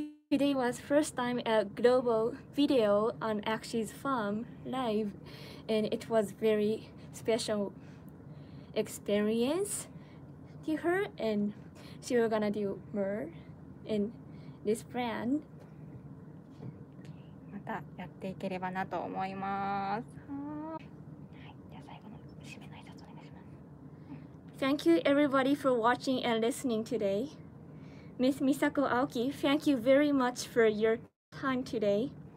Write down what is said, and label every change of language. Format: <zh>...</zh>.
<en>Today was first time a global video on Axie's Farm live, and it was very special experience to her, and she was gonna do more in this brand.</en> <ja>またやっていければなと思います。</ja> <en>Thank you everybody for watching and listening today. Ms. Misako Aoki, thank you very much for your time today.</en>